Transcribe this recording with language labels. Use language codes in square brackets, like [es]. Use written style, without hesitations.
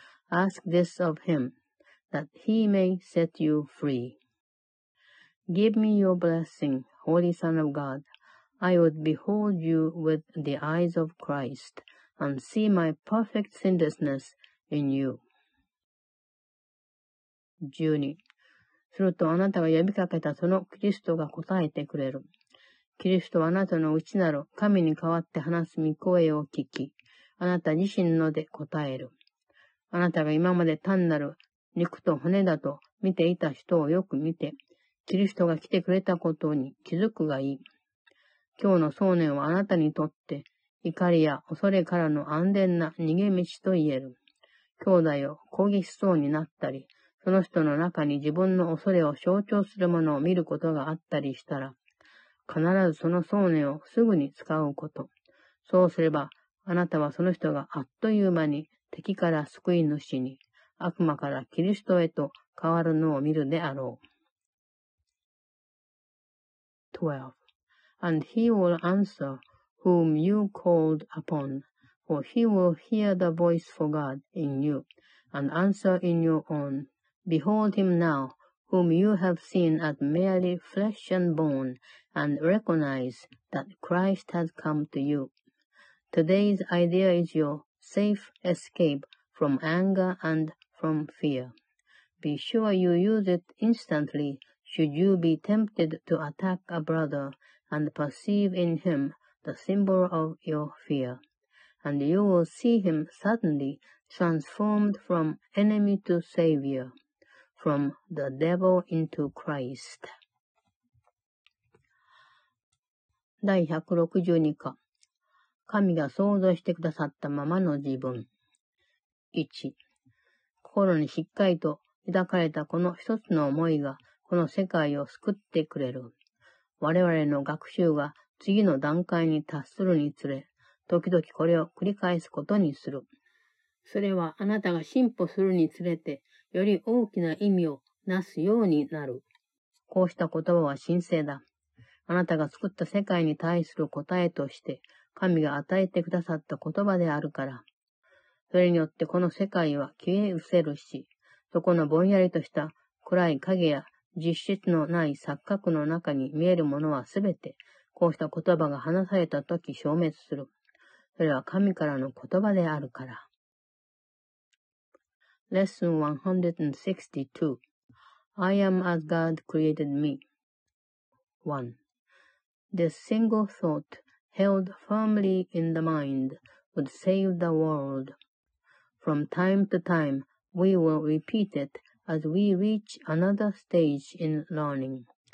[en] Ask this of him, that he may set you free. Give me your blessing, Holy Son of God. I would behold you with the eyes of Christ, and see my perfect sinlessness in you. [ja] 12. するとあなたが呼びかけたそのキリストが答えてくれる。キリストはあなたの内なる神に代わって話す御声を聞き、あなた自身ので答える。あなたが今まで単なる肉と骨だと見ていた人をよく見て、キリストが来てくれたことに気づくがいい。今日の想念はあなたにとって怒りや恐れからの安全な逃げ道と言える。兄弟を攻撃しそうになったり、その人の中に自分の恐れを象徴するものを見ることがあったりしたら、必ずその想念をすぐに使うこと。そうすれば、あなたはその人があっという間に敵から救い主に、悪魔からキリストへと変わるのを見るであろう。 [en] 12. And he will answer whom you called upon, for he will hear the voice for God in you, and answer in your own. Behold him now, whom you have seen as merely flesh and bone, and recognize that Christ has come to you. Today's idea is your safe escape from anger and from fear. Be sure you use it instantly should you be tempted to attack a brother and perceive in him the symbol of your fear. And you will see him suddenly transformed from enemy to savior, from the devil into Christ. [ja] 第162課。神が創造してくださったままの自分。 1。心にしっかりと抱かれたこの一つの思いが、この世界を救ってくれる。我々の学習が次の段階に達するにつれ、時々これを繰り返すことにする。それはあなたが進歩するにつれて、より大きな意味をなすようになる。こうした言葉は神聖だ。あなたが作った世界に対する答えとして、神が与えてくださった言葉であるから。それによってこの世界は消え失せるし、そこのぼんやりとした暗い影や実質のない錯覚の中に見えるものはすべて、こうした言葉が話されたとき消滅する。それは神からの言葉であるから。 [en] Lesson 162 I am as God created me. 1. The single thought held firmly in the mind would save the world. From time to time, we will repeat it as we reach another stage in learning.